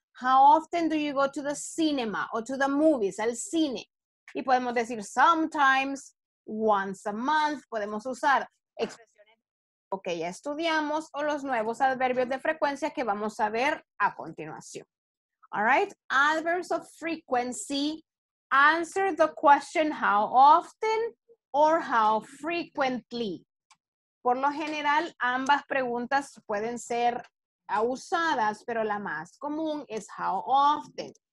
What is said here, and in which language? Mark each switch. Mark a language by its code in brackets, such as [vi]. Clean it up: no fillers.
[en] How often do you go to the cinema or to the movies, [es] al cine? Y podemos decir [en] sometimes, once a month. [es] Podemos usar expresiones que ya estudiamos o los nuevos adverbios de frecuencia que vamos a ver a continuación. [en] All right. Adverbs of frequency answer the question how often or how frequently. [es] Por lo general, ambas preguntas pueden ser usadas, pero la más común es how often.